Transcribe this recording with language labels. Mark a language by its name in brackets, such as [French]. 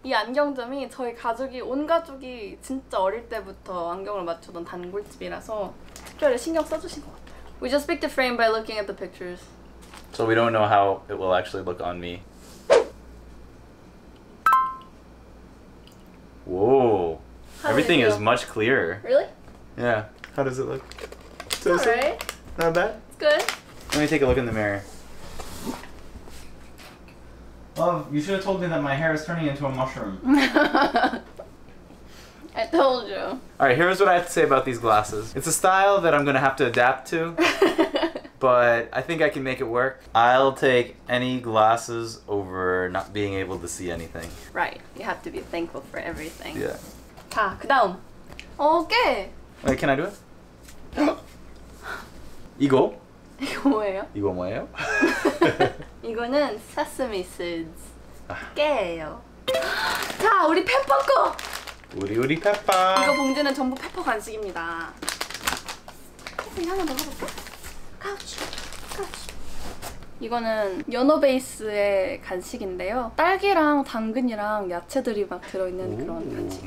[Korean] 이 안경점이 저희 가족이 온 가족이 진짜 어릴 때부터 안경을 맞추던 단골집이라서 특별히 신경 써주신 것 같아요. [English] We just picked a frame by looking at the pictures. So we don't know how it will actually look on me. Whoa. Everything is much clearer. Really? Yeah. How does it look? It's all right. Not bad? It's good. Let me take a look in the mirror. Love, you should have told me that my hair is turning into a mushroom. I told you. All right, here's what I have to say about these glasses. It's a style that I'm going to have to adapt to. but I think I can make it work. I'll take any glasses over not being able to see anything. Right. You have to be thankful for everything. Yeah. [Korean] 자, 그다음. 오케이. [English] Wait, can I do it? [Korean] 이거? 이거 뭐예요? 이거 뭐예요? [English] 이거는 sesame seeds. [Korean] 깨예요. 자, 우리 페퍼 거! 우리 페퍼! 이거 봉지는 전부 페퍼 간식입니다. 페퍼 하나 넣어볼까? 카우치! 이거는 연어 베이스의 간식인데요. 딸기랑 당근이랑 야채들이 막 들어있는 그런 간식.